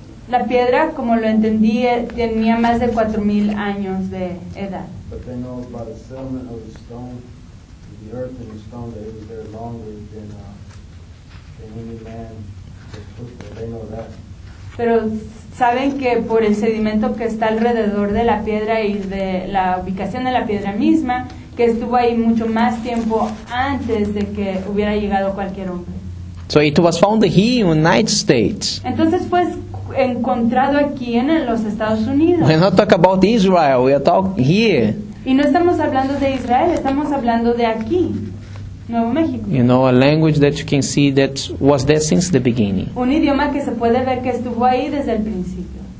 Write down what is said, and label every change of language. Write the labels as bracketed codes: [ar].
[es] La piedra, como lo entendí, tenía más de 4,000 años de edad. [en] But they know about the settlement of the stone, the earth and the stone, that it was there longer than any man. They know that. [es] Pero saben que por el sedimento que está alrededor de la piedra y de la ubicación de la piedra misma, que estuvo ahí mucho más tiempo antes de que hubiera llegado cualquier hombre. [en] So it was found here in the United States. [es] Entonces pues encontrado aquí en los Estados Unidos. [en] We're not talking about Israel, we are talking here. [es] Y no estamos hablando de Israel, estamos hablando de aquí. Nuevo México. [en] You know, a language that you can see that was there since the beginning. [es] Un idioma que se puede ver que estuvo ahí desde el principio.